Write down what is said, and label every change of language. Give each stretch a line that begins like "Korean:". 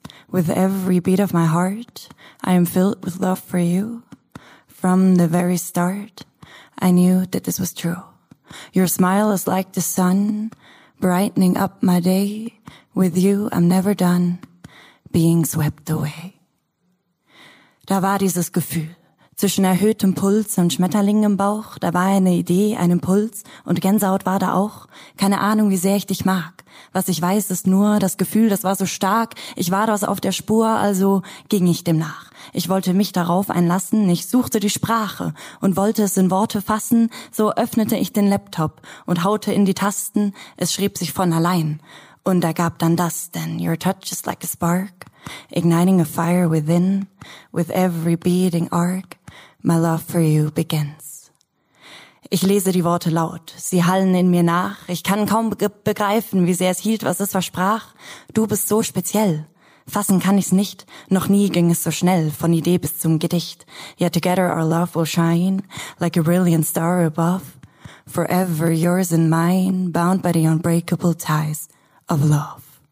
English: With every beat of my heart, I am filled with love for you. From the very start, I knew that this was true. Your smile is like the sun, brightening up my day. With you, I'm never done being swept away.
German: Da war dieses Gefühl zwischen erhöhtem Puls und Schmetterlingen im Bauch. Da war eine Idee, ein Impuls und Gänsehaut war da auch. Keine Ahnung, wie sehr ich dich mag. Was ich weiß, ist nur das Gefühl, das war so stark. Ich war das auf der Spur, also ging ich dem nach. Ich wollte mich darauf einlassen, ich suchte die Sprache und wollte es in Worte fassen. So öffnete ich den Laptop und haute in die Tasten. Es schrieb sich von allein und da gab dann das.
English: Denn your touch is like a spark, igniting a fire within. With every beating arc, my love for you begins.
German: Ich lese die Worte laut, sie hallen in mir nach. Ich kann kaum begreifen, wie sehr es hielt, was es versprach. Du bist so speziell. Fassen kann ich's nicht. Noch nie ging es so schnell, von Idee bis zum Gedicht.
English: Yet together our love will shine like a brilliant star above. Forever yours and mine, bound by the unbreakable ties of love.